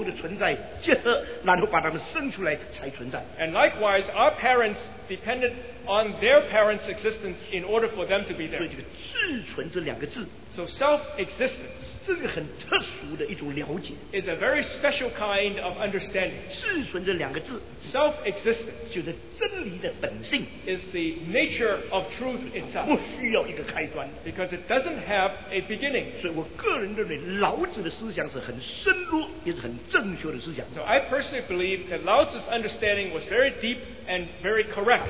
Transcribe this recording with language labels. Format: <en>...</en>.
<zh>我们父母的存在是根据父母的父母的存在结合，然后把他们生出来才存在。</zh> <en>And likewise, our parents depended on their parents' existence in order for them to be there.</en> <zh>所以这个自存这两个字。</zh> <en>So self-existence.</en> <zh>这个很特殊的一种了解。</zh> <en>Is a very special kind of understanding.</en> <zh>自存这两个字。</zh> <en>Self-existence.</en> <zh>就是真理的本性。</zh> <en>Is the nature of truth itself.</en> <zh>不需要一个开端。</zh> <en>Because it doesn't have a beginning.</en> <zh>所以我个人认为，老子的思想是很深入，也是很正确的思想。</zh> <en>So I personally believe that Lao Tzu's understanding was very deep and very correct.</en>